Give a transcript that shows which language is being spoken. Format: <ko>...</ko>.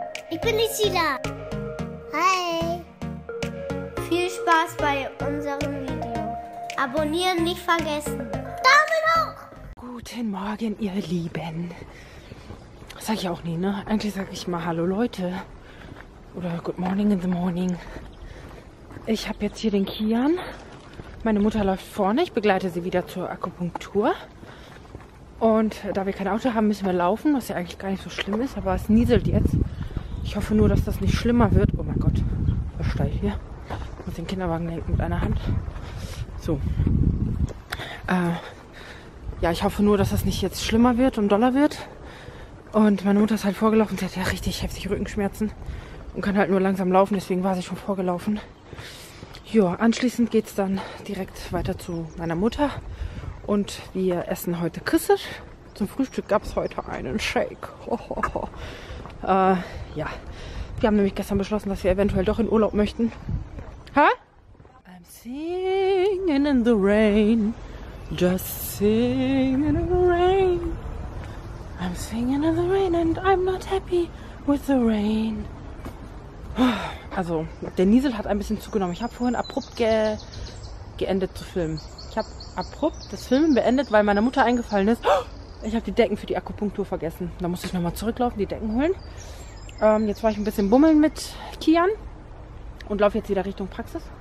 <de>Ich bin Lucila. Hi. Viel Spaß bei unserem Video. Abonnieren nicht vergessen. Daumen hoch. Guten Morgen, ihr Lieben. Das sag ich auch nie, ne? Eigentlich sag ich mal Hallo, Leute. Oder</de> <en>Good Morning in the Morning.</en> <de>Ich habe jetzt hier den Kian. Meine Mutter läuft vorne. Ich begleite sie wieder zur Akupunktur. Und da wir kein Auto haben, müssen wir laufen, was ja eigentlich gar nicht so schlimm ist. Aber es nieselt jetzt. Ich hoffe nur, dass das nicht schlimmer wird. Oh mein Gott, was steige ich hier? Ich muss den Kinderwagen lenken mit einer Hand. So. Ja, ich hoffe nur, dass das nicht jetzt schlimmer wird und doller wird. Und meine Mutter ist halt vorgelaufen. Sie hat ja richtig heftig Rückenschmerzen und kann halt nur langsam laufen. Deswegen war sie schon vorgelaufen. Ja, anschließend geht es dann direkt weiter zu meiner Mutter. Und wir essen heute Kissen. Zum Frühstück gab es heute einen Shake. Ja, wir haben nämlich gestern beschlossen, dass wir eventuell doch in Urlaub möchten.</de> <en>Hä? I'm singing in the rain. Just singing in the rain. I'm singing in the rain and I'm not happy with the rain.</en> <de>Also, der Niesel hat ein bisschen zugenommen. Ich habe vorhin abrupt geendet zu filmen. Ich habe abrupt das Filmen beendet, weil meiner Mutter eingefallen ist. Ich habe die Decken für die Akupunktur vergessen. Da musste ich nochmal zurücklaufen, die Decken holen. Jetzt war ich ein bisschen bummeln mit Kian und laufe jetzt wieder Richtung Praxis.</de>